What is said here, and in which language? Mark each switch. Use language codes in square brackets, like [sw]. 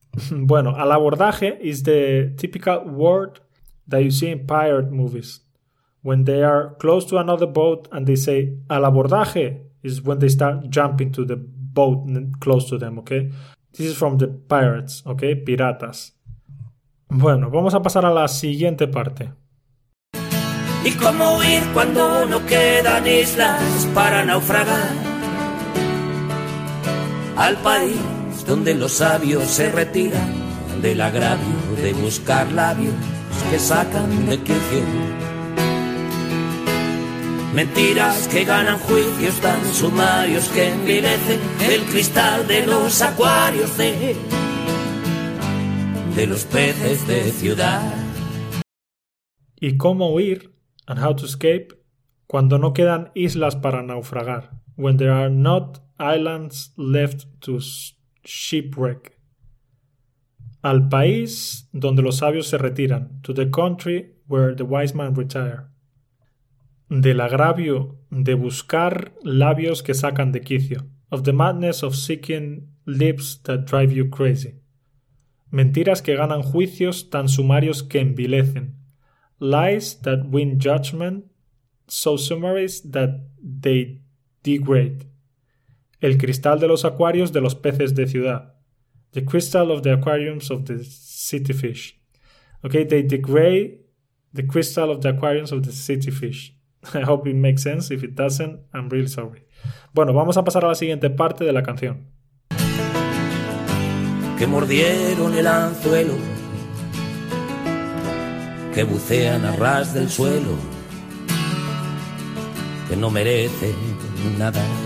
[en] Bueno, al abordaje is the typical word that you see in pirate movies. When they are close to another boat and they say al abordaje is when they start jumping to the boat close to them, okay? This is from the pirates, okay? Piratas. [es] Bueno, vamos a pasar a la siguiente parte. ¿Y cómo ir cuando no quedan islas para naufragar? Al país donde los sabios se retiran del agravio de buscar labios que sacan de quicio. Mentiras que ganan juicios tan sumarios que envilecen el cristal de los acuarios de los peces de ciudad. ¿Y cómo huir, [en] and how to escape, [es] cuando no quedan islas para naufragar? [en] When there are not islands left to shipwreck. [es] Al país donde los sabios se retiran, [en] to the country where the wise men retire. [es] Del agravio de buscar labios que sacan de quicio. [en] Of the madness of seeking lips that drive you crazy. [es] Mentiras que ganan juicios tan sumarios que envilecen. [en] Lies that win judgment, so sumarious that they degrade. [es] El cristal de los acuarios de los peces de ciudad. [en] The crystal of the aquariums of the city fish. Okay, they degrade the crystal of the aquariums of the city fish. I hope it makes sense. If it doesn't, I'm really sorry. [es] Bueno, vamos a pasar a la siguiente parte de la canción. Que mordieron el anzuelo, que bucean a ras del suelo, que no merece nada.